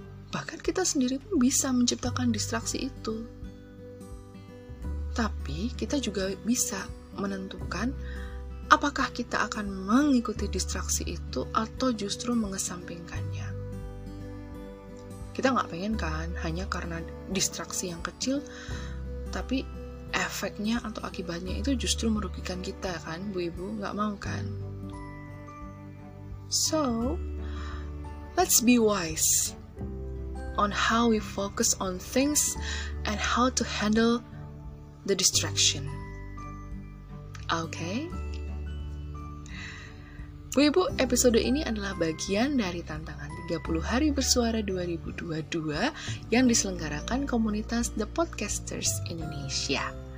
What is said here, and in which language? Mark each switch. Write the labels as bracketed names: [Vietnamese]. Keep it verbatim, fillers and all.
[Indonesian] Bahkan kita sendiri pun bisa menciptakan distraksi itu. Tapi kita juga bisa menentukan apakah kita akan mengikuti distraksi itu atau justru mengesampingkannya. Kita nggak pengen kan hanya karena distraksi yang kecil, tapi efeknya atau akibatnya itu justru merugikan kita kan, bu ibu, nggak mau kan? [English] So, let's be wise on how we focus on things and how to handle the distraction. Okay? [Indonesian] Bu Ibu, episode ini adalah bagian dari tantangan tiga puluh hari bersuara dua ribu dua puluh dua yang diselenggarakan komunitas The Podcasters Indonesia.